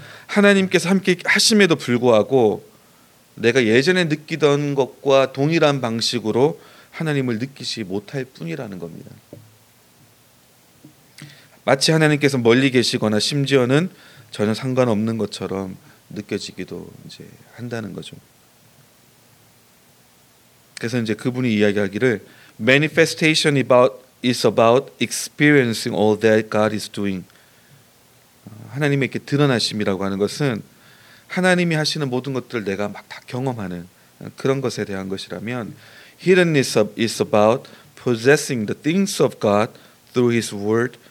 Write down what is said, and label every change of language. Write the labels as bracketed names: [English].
[Korean] 하나님께서 함께 하심에도 불구하고 내가 예전에 느끼던 것과 동일한 방식으로 하나님을 느끼지 못할 뿐이라는 겁니다. 마치 하나님께서 멀리 계시거나 심지어는 전혀 상관없는 것처럼 느껴지기도 이제 한다는 거죠. 그래서 이제 그분이 이야기하기를 [English] manifestation is about experiencing all that God is doing. [Korean] 하나님에게 드러나심이라고 하는 것은 하나님이 하시는 모든 것들을 내가 막 다 경험하는 그런 것에 대한 것이라면 [English] hiddenness is about possessing the things of God through His word.